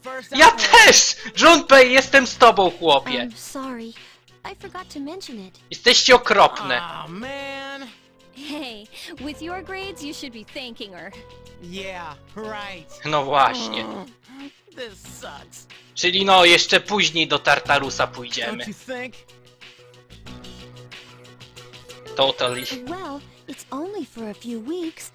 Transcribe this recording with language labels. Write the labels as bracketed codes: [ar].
[pl] Ja też! Junpei, jestem z tobą, chłopie. [en] I forgot to mention it. [pl] Jesteście okropne. [en] Oh man. Hey, with your grades you should be thanking her. Yeah, right. [pl] No właśnie. [en] This sucks. [pl] Czyli no, jeszcze później do Tartarusa pójdziemy. [en] Don't you think? Totally. Well, it's only for a few weeks.